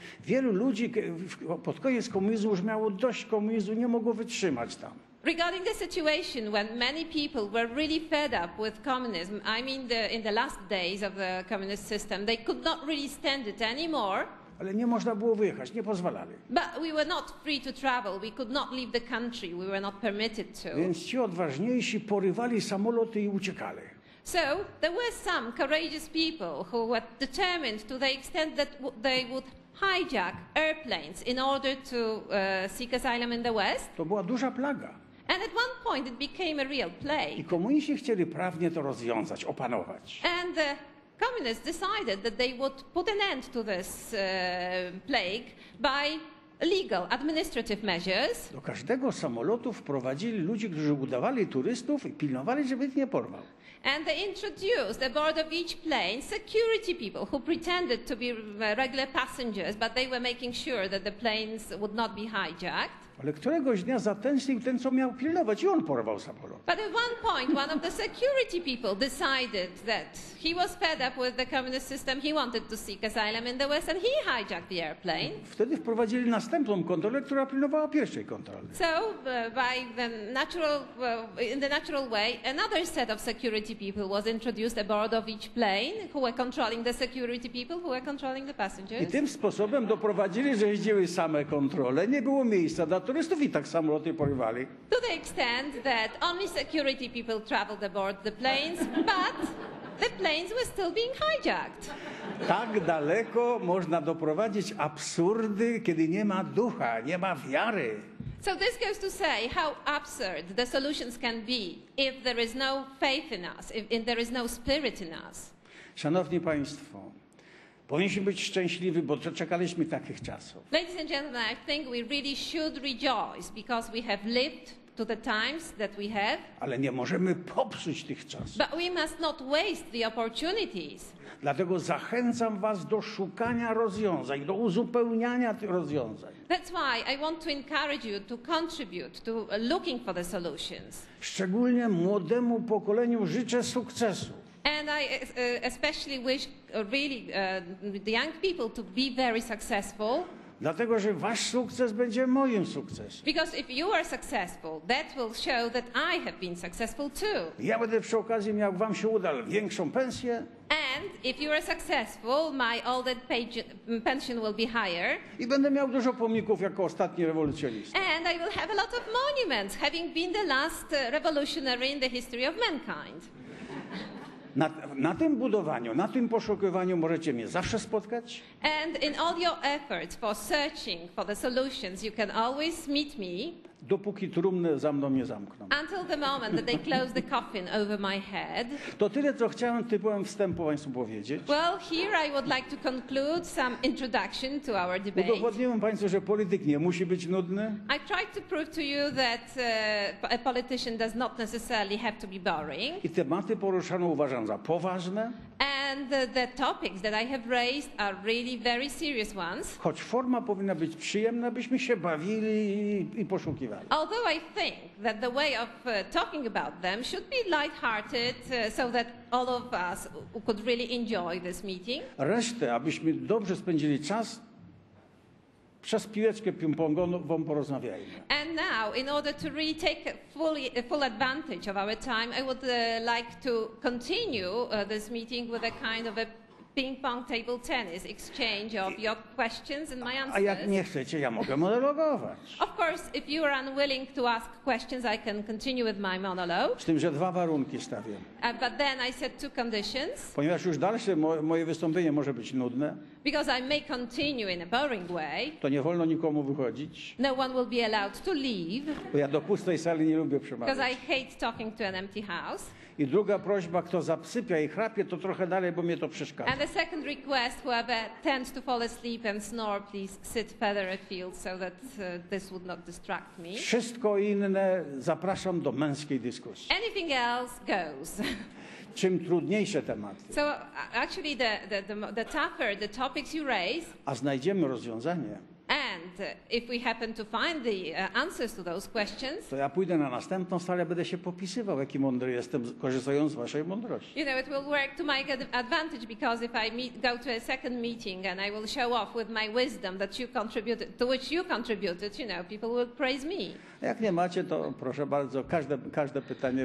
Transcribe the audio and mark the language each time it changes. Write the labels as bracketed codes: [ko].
[pl] Wielu ludzi pod koniec komunizmu już miało dość komunizmu, nie mogło wytrzymać tam. [en] Regarding the situation when many people were really fed up with communism, I mean in the last days of the communist system, they could not really stand it anymore. [pl] Ale nie można było wyjechać, nie pozwalali. [en] But we were not free to travel, we could not leave the country, we were not permitted to. [pl] Więc ci odważniejsi porywali samoloty i uciekali. [en] So there were some courageous people who were determined to the extent that they would hijack airplanes in order to seek asylum in the West. [pl] To była duża plaga. [en] And at one point it became a real plague. [pl] I komuniści chcieli prawnie to rozwiązać, opanować. [en] And the communists decided that they would put an end to this plague by legal administrative measures. [pl] Do każdego samolotu wprowadzili ludzi, którzy udawali turystów i pilnowali, żeby ich nie porwał. [en] And they introduced aboard of each plane security people who pretended to be regular passengers, but they were making sure that the planes would not be hijacked. [pl] Ale któregoś dnia zatęsknił ten, co miał pilnować, i on porwał samolot. [en] But at one point one of the security people decided that he was fed up with the communist system, he wanted to seek asylum in the West, and he hijacked the airplane. [pl] Wtedy wprowadzili następną kontrolę, która pilnowała pierwszej kontroli. [en] So by the natural, in the natural way, another set of security people was introduced aboard of each plane, who were controlling the security people, who were controlling the passengers. [pl] I tym sposobem doprowadzili, że jeździły same kontrole, nie było miejsca dla turystów i tak samoloty porywali. [en] To the extent that only security people traveled aboard the planes, but the planes were still being hijacked. [pl] Tak daleko można doprowadzić absurdy, kiedy nie ma ducha, nie ma wiary. [en] So this goes to say how absurd the solutions can be if there is no faith in us, if there is no spirit in us. [pl] Szanowni Państwo, powinniśmy być szczęśliwi, bo czekaliśmy takich czasów. [en] Ladies and gentlemen, I think we really should rejoice because we have lived to the times that we have. [pl] Ale nie możemy popsuć tych czasów. [en] But we must not waste the opportunities. [pl] Dlatego zachęcam was do szukania rozwiązań, do uzupełniania tych rozwiązań. [en] That's why I want to encourage you to contribute to looking for the solutions. [pl] Szczególnie młodemu pokoleniu życzę sukcesu. [en] And I especially wish really the young people to be very successful. [pl] Dlatego, że wasz sukces będzie moim sukcesem. [en] Because if you are successful, that will show that I have been successful too. [pl] Ja będę przy okazji miał, jak wam się uda, większą pensję. [en] And And if you are successful, my old age pension will be higher. [pl] I będę miał dużo pomników jako ostatni rewolucjonista. [en] And I will have a lot of monuments, having been the last revolutionary in the history of mankind. [pl] Na tym budowaniu, na tym poszukiwaniu możecie mnie zawsze spotkać. [en] And in all your efforts for searching for the solutions, you can always meet me. [pl] Dopóki trumny za mną nie zamkną. [en] Until the moment that they close the coffin over my head. [pl] To tyle, co chciałem tytułem wstępu Państwu powiedzieć. [en] Well, here I would like to conclude some introduction to our debate. [pl] Udowodniłem Państwu, że polityk nie musi być nudny. [en] I tried to prove to you that a politician does not necessarily have to be boring. [pl] I tematy poruszane uważam za poważne. [en] And the topics that I have raised are really very serious ones. [pl] Choć forma powinna być przyjemna, byśmy się bawili i poszukiwali. [en] Although I think that the way of talking about them should be light-hearted, so that all of us could really enjoy this meeting. [pl] Resztę, abyśmy dobrze spędzili czas, przez piłeczkę ping-pongową porozmawiajmy. [en] And now, in order to really take full advantage of our time, I would like to continue this meeting with a kind of a ping-pong table tennis exchange of your questions and my answers. [pl] A jak nie chcecie, ja mogę monologować. [en] Of course, if you are unwilling to ask questions, I can continue with my monologue. [pl] Z tym, że dwa warunki stawię. [en] But then I said two conditions. [pl] Ponieważ już dalsze moje wystąpienie może być nudne. [en] Because I may continue in a boring way. [pl] To nie wolno nikomu wychodzić. [en] No one will be allowed to leave. [pl] Bo ja do pustej sali nie lubię przemawiać. [en] Because I hate talking to an empty house. [pl] I druga prośba, kto zasypia i chrapie, to trochę dalej, bo mnie to przeszkadza. [en] And the second request, whoever tends to fall asleep and snore, please sit further afield so that this would not distract me. [pl] Wszystko inne zapraszam do męskiej dyskusji. [en] Anything else goes. [pl] Czym trudniejsze tematy. [en] So actually the tougher the topics you raise. [pl] A znajdziemy rozwiązanie. [en] And if we happen to find the answers to those questions. [pl] To ja pójdę na następną salę, będę się popisywał, jaki mądry jestem, korzystając z waszej mądrości. [en] You know, it will work to my advantage, because if I go to a second meeting and I will show off with my wisdom that you contributed, to which you contributed, you know, people will praise me. [pl] Jak nie macie, to proszę bardzo, każde pytanie